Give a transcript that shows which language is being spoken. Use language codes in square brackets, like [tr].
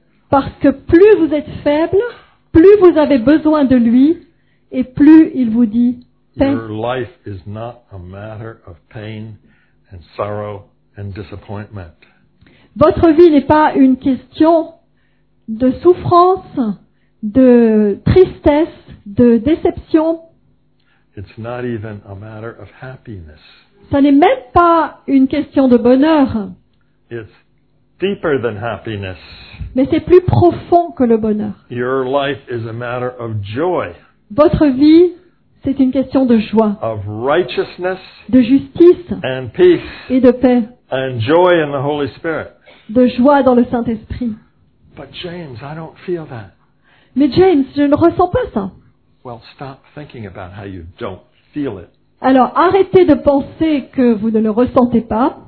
[fr] Parce que plus vous êtes faible, plus vous avez besoin de lui, et plus il vous dit paix. [en] Your life is not a matter of pain and sorrow and disappointment. [fr] Votre vie n'est pas une question de souffrance, de tristesse, de déception. [en] It's not even a matter of happiness. [fr] Ça n'est même pas une question de bonheur. [en] It's deeper than happiness. [fr] Mais c'est plus profond que le bonheur. [en] Your life is a matter of joy. [fr] Votre vie, c'est une question de joie. [en] Of righteousness. [fr] De justice. [en] And peace. [fr] Et de paix. [en] And joy in the Holy Spirit. [fr] De joie dans le Saint-Esprit. [en] But James, I don't feel that. [fr] Mais James, je ne ressens pas ça. [en] Well, stop thinking about how you don't feel it. [fr] Alors, arrêtez de penser que vous ne le ressentez pas.